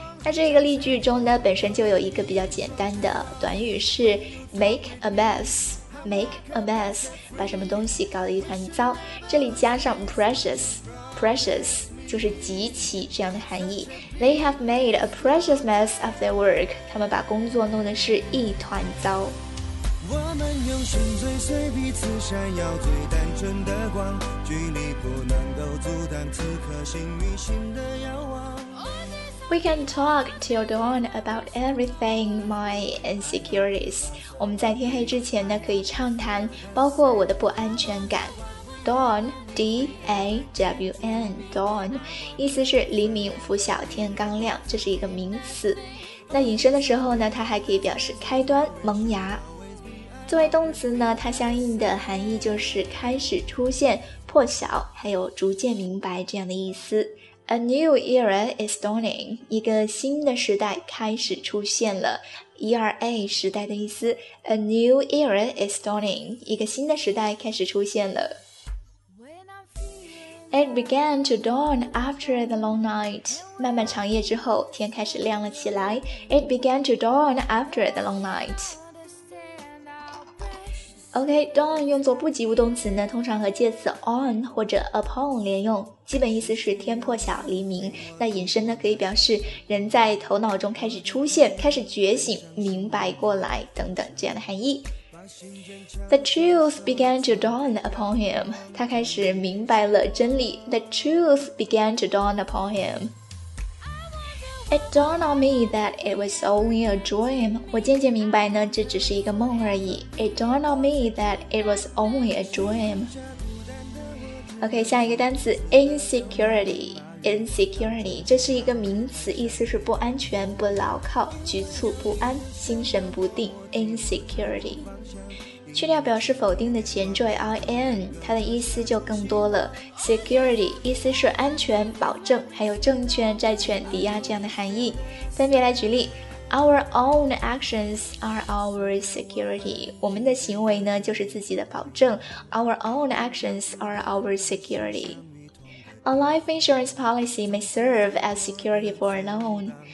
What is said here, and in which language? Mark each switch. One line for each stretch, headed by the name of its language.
Chinese: 那这个例句中呢本身就有一个比较简单的短语是 Make a messMake a mess 把什么东西搞得一团糟这里加上 precious precious 就是极其这样的含义
English: They have made a precious mess of their work
Chinese: 他们把工作弄得是一团糟我们用心追随彼此闪耀最单纯的光距离不能够阻挡此刻心与心的遥望
English: We can talk till dawn about everything, my insecurities.
Chinese: 我们在天黑之前呢，可以畅谈，包括我的不安全感。 Dawn, D-A-W-N, dawn, 意思是黎明、拂晓、天刚亮，这是一个名词。那引申的时候呢，它还可以表示开端、萌芽。作为动词呢，它相应的含义就是开始出现、破晓，还有逐渐明白这样的意思。
English: A new era is dawning.
Chinese: 一个新的时代开始出现了。
English: ERA
Chinese: 时代的意思。
English: A new era is dawning.
Chinese: 一个新的时代开始出现了。
English: It began to dawn after the long night.
Chinese: 漫漫长夜之后，天开始亮了起来。
English: It began to dawn after the long night.
Chinese: OK, dawn 用作不及物动词呢通常和介词 on 或者 upon 连用基本意思是天破晓黎明那引申呢可以表示人在头脑中开始出现开始觉醒明白过来等等这样的含义
English: The truth began to dawn upon him
Chinese: 他开始明白了真理
English: The truth began to dawn upon himIt dawned on me that it was only a dream.
Chinese: 我渐渐明白呢，这只是一个梦而已。
English: It dawned on me that it was only a dream.
Chinese: OK, 下一个单词 insecurity. Insecurity, 这是一个名词，意思是不安全、不牢靠、局促不安、心神不定。 Insecurity. 去掉表示否定的前缀 IN 它的意思就更多了 Security 意思是安全保证还有证券债券抵押这样的含义分别来举例
English: Our own actions are our security
Chinese: 我们的行为呢就是自己的保证
English: Our own actions are our securityA life insurance policy may serve as security for a loan.